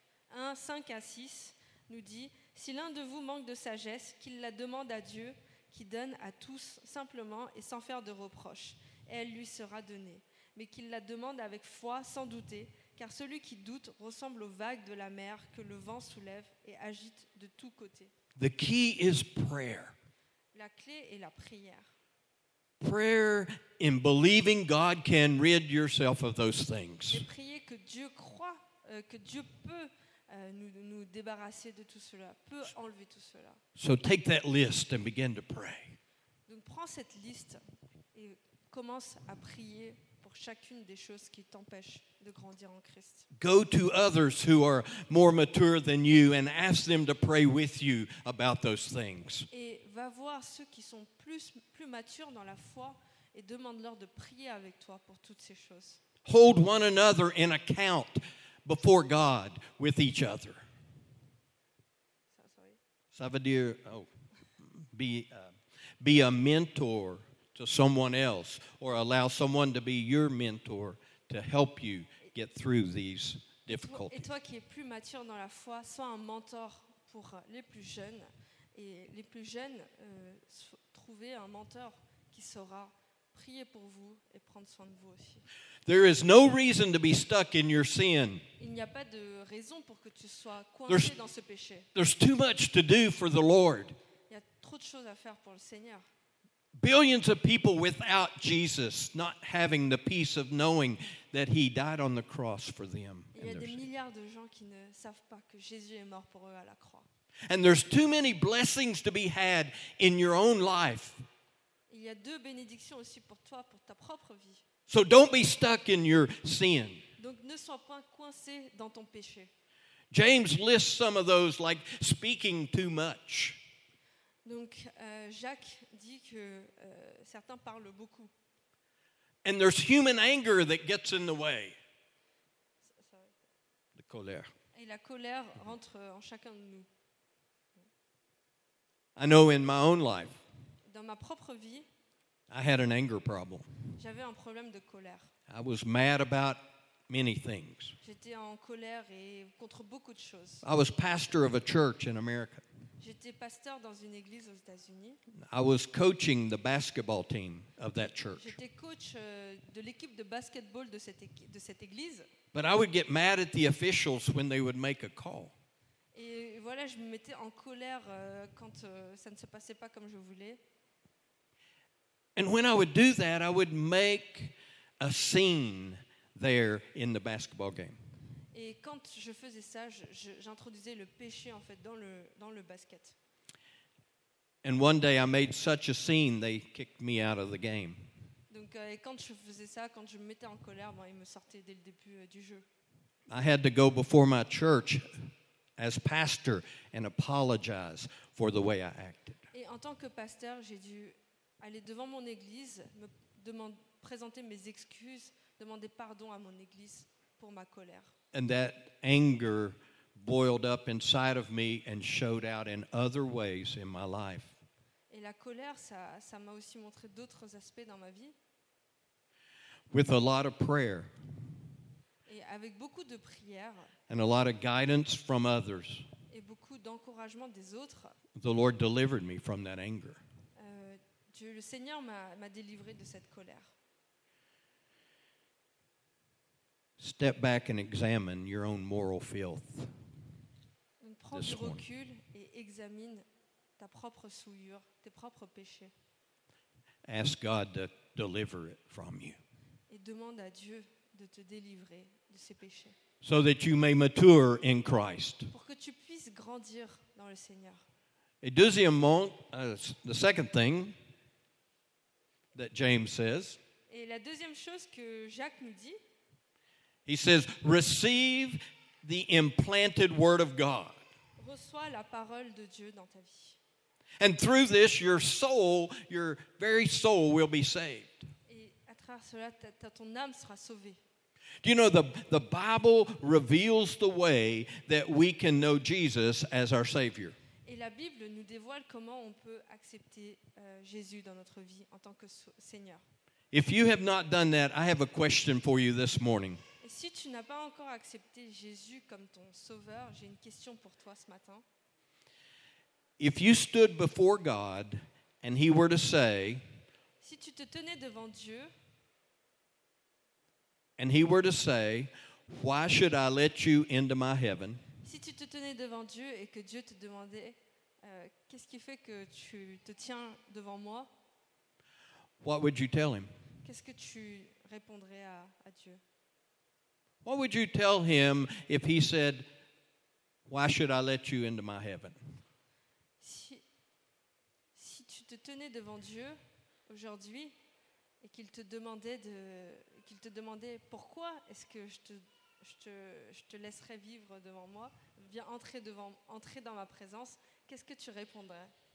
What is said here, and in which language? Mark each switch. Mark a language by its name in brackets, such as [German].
[French] Jacques 1, 5 à 6 nous dit: si l'un de vous manque de sagesse, qu'il la demande à Dieu, qui donne à tous simplement et sans faire de reproche, et elle lui sera donnée. Mais qu'il la demande avec foi, sans douter, car celui qui doute ressemble aux vagues de la mer que le vent soulève et agite de tous côtés. [English] The key is prayer. [French] La clé est la prière. [English] Prayer in believing God can rid yourself of those things. [French] Et prier que Dieu croit, que Dieu peut nous débarrasser de tout cela, peut enlever tout cela. [English] So take that list and begin to pray. [French] Donc prends cette liste et commence à prier pour chacune des choses qui t'empêchent de grandir en Christ. [English] Go to others who are more mature than you and ask them to pray with you about those things. [French] Et va voir ceux qui sont plus matures dans la foi et demande-leur de prier avec toi pour toutes ces choses. [English] Hold one another in account before God with each other. [French] Ça veut dire, [English] be a mentor to someone else, or allow someone to be your mentor to help you get through these difficulties. [French] Et toi qui es plus mature dans la foi, sois un mentor pour les plus jeunes, et les plus jeunes trouver un mentor qui saura prier pour vous et prendre soin de vous aussi. [English] There is no reason to be stuck in your sin. [French] Il n'y a pas de raison pour que tu sois coincé dans ce péché. [English] There's too much to do for the Lord. [French] Il y a trop de choses à faire pour le Seigneur. [English] Billions of people without Jesus, not having the peace of knowing that he died on the cross for them. [French] Il y a des milliards de gens qui ne savent pas que Jésus est mort pour eux à la croix. [English] And there's too many blessings to be had in your own life. [French] Il y a deux bénédictions aussi pour toi, pour ta propre vie. [English] So don't be stuck in your sin. [French] Donc ne sois pas coincé dans ton péché. [English] James lists some of those like speaking too much. [French] Donc Jacques dit que certains parlent beaucoup. [English] And there's human anger that gets in the way. [French] La colère. Et la colère rentre en chacun de nous. [English] I know in my own life. [French] Dans ma propre vie, [English] I had an anger problem. [French] J'avais un problème de colère. [English] I was mad about many things. [French] J'étais en colère et contre beaucoup de choses. [English] I was pastor of a church in America. [French] J'étais pasteur dans une église aux États-Unis. [English] I was coaching the basketball team of that church. [French] J'étais coach de l'équipe de basketball de cette église. [English] But I would get mad at the officials when they would make a call. [French] Et voilà, je me mettais en colère quand ça ne se passait pas comme je voulais. [English] And when I would do that, I would make a scene there in the basketball game. [French] Et quand je faisais ça, j'introduisais le péché en fait dans le basket. [English] And one day I made such a scene, they kicked me out of the game. [French] Donc et quand je faisais ça, quand je me mettais en colère, ils me sortaient dès le début du jeu. [English] I had to go before my church as pastor and apologize for the way I acted. [French] Et en tant que pasteur, j'ai dû aller devant mon église, présenter mes excuses, demander pardon à mon église pour ma colère. [English] And that anger boiled up inside of me and showed out in other ways in my life. [French] Et la colère, ça m'a aussi montré d'autres aspects dans ma vie. [English] With a lot of prayer. [French] Et avec beaucoup de prière. [English] And a lot of guidance from others. [French] Et beaucoup d'encouragement des autres. [English] The Lord delivered me from that anger. [French] Dieu, le Seigneur m'a délivré de cette colère. [English] Step back and examine your own moral filth. [French] Donc, prends du recul et examine ta propre souillure, tes propres péchés. [English] Ask God to deliver it from you. [French] Et demande à Dieu de te délivrer de ces péchés. [English] So that you may mature in Christ. [French] Pour que tu puisses grandir dans le Seigneur. Et deuxièmement, [English] the second thing that James says. [French] Et la deuxième chose que Jacques nous dit. [English] He says, receive the implanted word of God. [French] Reçois la parole de Dieu dans ta vie. [English] And through this, your soul, your very soul will be saved. [French] Et à travers cela, ton âme sera sauvée. [English] Do you know the Bible reveals the way that we can know Jesus as our Savior? [French] Et la Bible nous dévoile comment on peut accepter Jésus dans notre vie en tant que Seigneur. [English] If you have not done that, I have a question for you this morning. [French] Et si tu n'as pas encore accepté Jésus comme ton Sauveur, j'ai une question pour toi ce matin. [English] If you stood before God and He were to say, [French] si tu te tenais devant Dieu. [English] And he were to say, why should I let you into my heaven? [French] Si tu te tenais devant Dieu et que Dieu te demandait qu'est-ce qui fait que tu te tiens devant moi? [English] What would you tell him? [French] Qu'est-ce que tu répondrais à Dieu? [English] What would you tell him if he said, why should I let you into my heaven? [French] Si tu te tenais devant Dieu aujourd'hui et qu'il te demandait de qu'il te demandait pourquoi est-ce que je te laisserais vivre devant moi, viens entrer dans ma présence, qu'est-ce que tu répondrais?